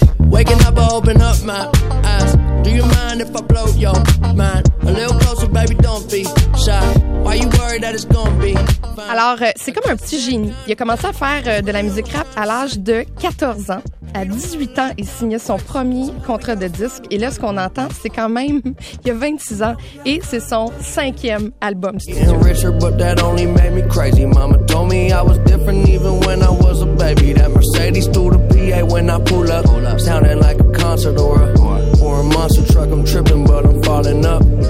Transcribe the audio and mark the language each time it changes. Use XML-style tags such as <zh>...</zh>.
<en>Waking up, I open up my eyes. Do you mind if I blow your mind? A little closer, baby, don't be shy. Why you worried that it's gonna be?</en> <fr>Alors, c'est comme un petit génie. Il a commencé à faire de la musique rap à l'âge de 14 ans. À 18 ans, il signait son premier contrat de disque. Et là, ce qu'on entend, c'est quand même, il y a 26 ans, et c'est son cinquième album studio.</fr> <en>Getting richer, but that only made me crazy. Mama told me I was different even when I was a baby. That Mercedes through the PA when I pull up. Hold up. Sounding like a concert or a monster truck. I'm tripping, but I'm falling up.</en>